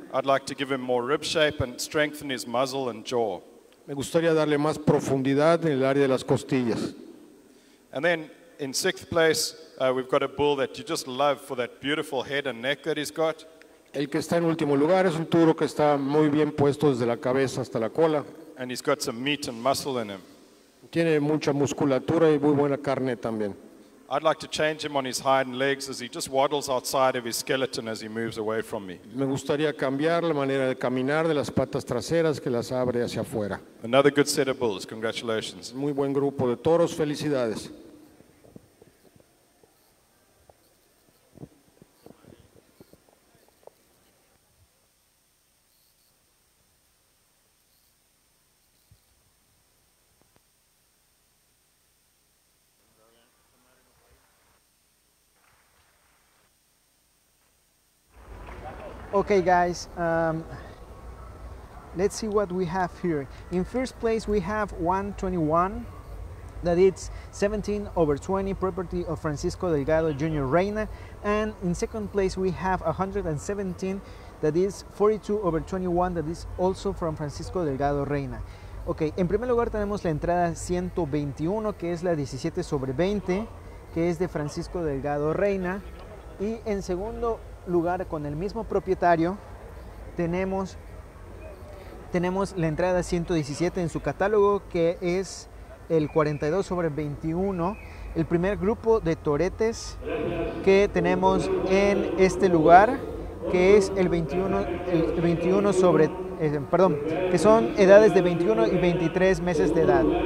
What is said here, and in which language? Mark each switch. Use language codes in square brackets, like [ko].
[en] I'd like to give him more rib shape and strengthen his muzzle and jaw. [es] Me gustaría darle más profundidad en el área de las costillas. [en] And then in sixth place, we've got a bull that you just love for that beautiful head and neck that he's got. [es] El que está en último lugar es un toro que está muy bien puesto desde la cabeza hasta la cola. [en] And he's got some meat and muscle in him. [es] Tiene mucha musculatura y muy buena carne también. [en] I'd like to change him on his hind legs as he just waddles outside of his skeleton as he moves away from me. [es] Me gustaría cambiar la manera de caminar de las patas traseras que las abre hacia afuera. [en] Another good set of bulls. Congratulations. [es] Muy buen grupo de toros. Felicidades. [en] Okay, guys, let's see what we have here. In first place, we have 121, that it's 17 over 20, property of Francisco Delgado Jr. Reina. And in second place, we have 117, that is 42 over 21, that is also from Francisco Delgado Reina. [es] Okay, en primer lugar tenemos la entrada 121, que es la 17 sobre 20, que es de Francisco Delgado Reina. Y en segundo lugar, con el mismo propietario, tenemos la entrada 117 en su catálogo, que es el 42 sobre 21, el primer grupo de toretes que tenemos en este lugar, que es que son edades de 21 y 23 meses de edad.